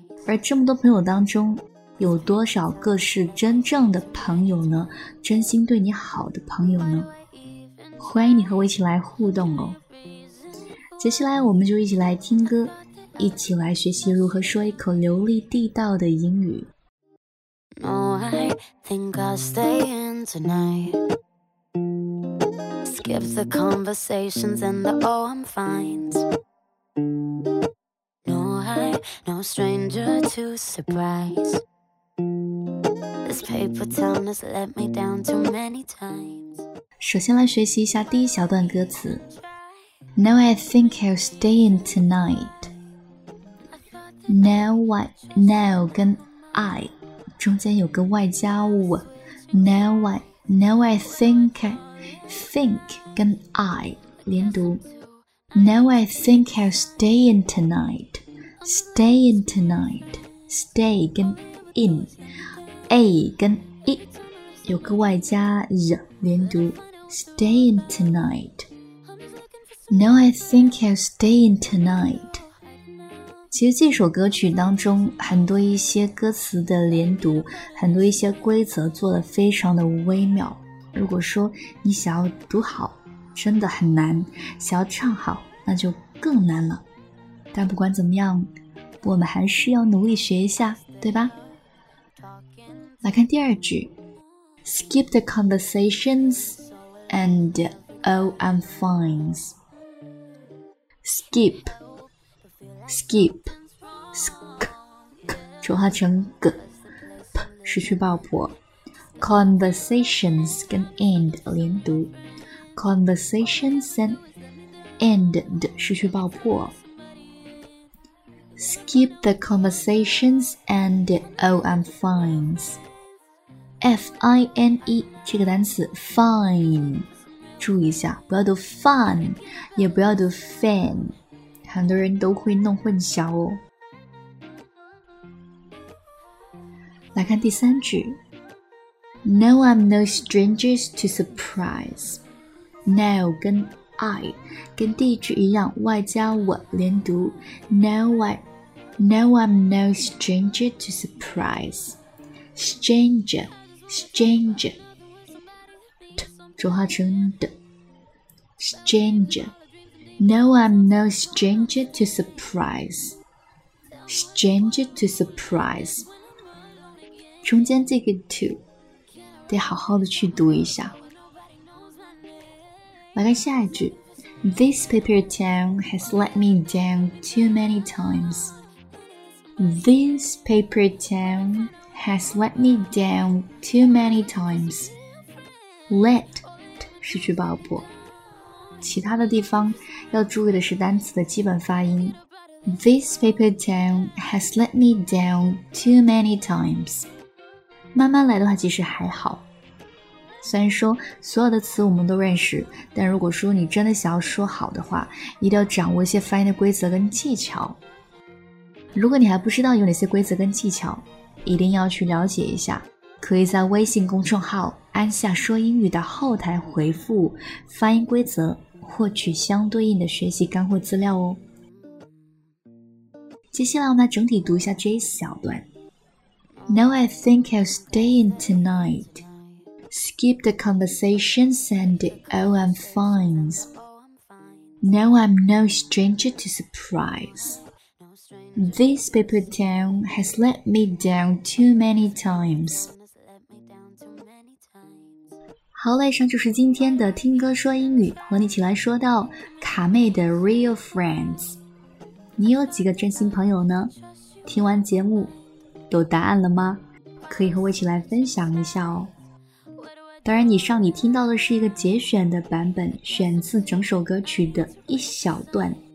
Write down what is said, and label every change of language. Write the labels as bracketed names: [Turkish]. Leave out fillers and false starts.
[Chinese] 而这么多朋友当中，有多少个是真正的朋友呢？真心对你好的朋友呢？欢迎你和我一起来互动哦。接下来我们就一起来听歌，一起来学习如何说一口流利地道的英语。 [English] No, I think I'll stay in tonight. Skip the conversations and the oh I'm fine. No, I'm no stranger to surprise. This paper town has let me down too many times. [Chinese] 首先来学习一下第一小段歌词。 [English] Now I think I'll stay in tonight. Now what? [Chinese] Now 跟 I 中间有个外加物。 [English] Now what? Now I think I think [Chinese] 跟 [English] I [Chinese] 连读。 [English] Now I think I'll stay in tonight. Stay in tonight. Stay [Chinese] 跟 [English] in. [Chinese] A 跟 I 有个外加 z 连读。 [English] Stay in tonight. Now I think I'll stay in tonight. [Chinese] 其实这首歌曲当中很多一些歌词的连读，很多一些规则做得非常的微妙。如果说你想要读好，真的很难，想要唱好，那就更难了。但不管怎么样，我们还是要努力学一下，对吧？来看第二句。 [English] Skip the conversations and oh I'm fine. [Chinese] Skip, skip, sk, 浊化成 g, p, 失去爆破。 Conversations 跟 end 连读。 [English] Conversations and end [Chinese] 的失去爆破。 [English] Skip the conversations and oh I'm fines. F-I-N-E [Chinese] 这个单词 [English] fine. [Chinese] 注意一下，不要读 fun， 也不要读 fan， 很多人都会弄混淆哦。来看第三句 ， [English] No, I'm no strangers to surprise. [Chinese] No 跟 I 跟第一句一样，外加我连读。 [English] No, I'm no stranger to surprise. [Chinese] Stranger, stranger， 浊化成的。 [English] Stranger. No, I'm no stranger to surprise. Stranger to surprise. [Chinese] 中间这个 to 得好好的去读一下。来看下一句。 [English] This paper town has let me down too many times. This paper town has let me down too many times. [Chinese] Let 失去爆破。其他的地方要注意的是单词的基本发音。 [English] This paper town has let me down too many times. [Chinese] 慢慢来的话其实还好。虽然说所有的词我们都认识，但如果说你真的想要说好的话，一定要掌握一些发音的规则跟技巧。如果你还不知道有哪些规则跟技巧，一定要去了解一下。可以在微信公众号安夏说英语的后台回复发音规则，获取相对应的学习干货资料哦。接下来我们来整体读一下这一小段。 [English] Now I think I'll stay in tonight. Skip the conversations and oh I'm fine. Now I'm no stranger to surprise. This paper town has let me down too many times. [Chinese] 好嘞，以上就是今天的听歌说英语，和你一起来说到卡妹的 Real Friends。你有几个真心朋友呢？听完节目有答案了吗？可以和我一起来分享一下哦。当然以上你听到的是一个节选的版本，选自整首歌曲的一小段。